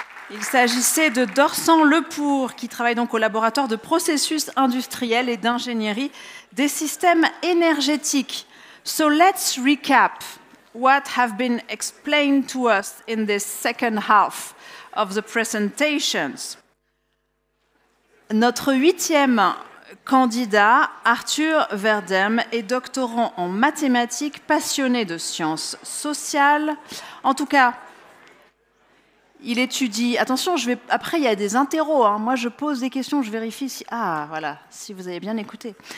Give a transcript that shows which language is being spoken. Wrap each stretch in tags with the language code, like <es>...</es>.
<fr>Il s'agissait de Dorsan Lepour, qui travaille donc au laboratoire de processus industriels et d'ingénierie des systèmes énergétiques.</fr> <en>So let's recap what have been explained to us in this second half of the presentations.</en> <fr>Notre huitième candidat, Arthur Verdem, est doctorant en mathématiques, passionné de sciences sociales. En tout cas, il étudie... Attention, je vais... après, il y a des interros. Hein. Moi, je pose des questions, je vérifie si... Ah, voilà, si vous avez bien écouté.</fr>